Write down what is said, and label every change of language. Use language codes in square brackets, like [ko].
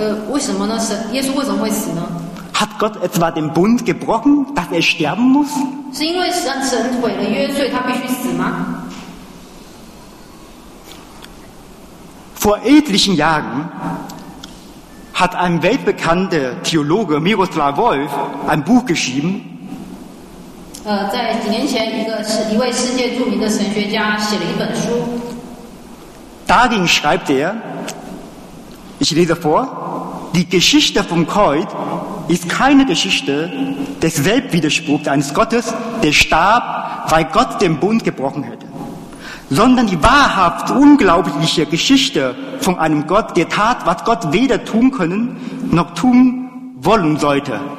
[zh] 为什么呢？神，耶稣为什么会死呢？ [de] Hat Gott etwa den Bund gebrochen, dass er sterben muss? [zh] 是因为神毁了约，所以他必须死吗？ [de] Vor etlichen Jahren hat ein weltbekannter Theologe Miroslav Volf ein Buch geschrieben. [zh] 在几年前，一位世界著名的神学家写了一本书。 [de] Darin schreibt er, ich lese vor, die Geschichte vom Kreuz ist keine Geschichte des Selbstwiderspruchs eines Gottes, der starb, weil Gott den Bund gebrochen hätte, sondern die wahrhaft unglaubliche Geschichte von einem Gott, der tat, was Gott weder tun können noch tun wollen sollte.